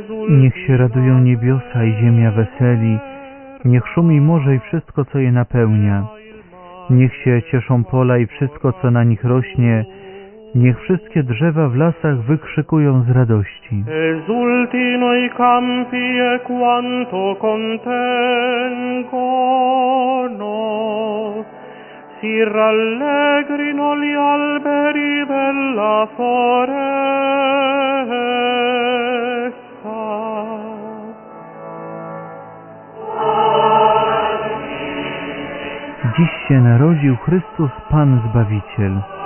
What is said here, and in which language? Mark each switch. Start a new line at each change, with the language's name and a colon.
Polish: Niech się radują niebiosa i ziemia weseli, niech szumi morze i wszystko, co je napełnia. Niech się cieszą pola i wszystko, co na nich rośnie, niech wszystkie drzewa w lasach wykrzykują z radości.
Italian: Esultino i campi e quanto contengono. Si rallegrino gli alberi della foresta.
Polish: dziś się narodził Chrystus Pan Zbawiciel.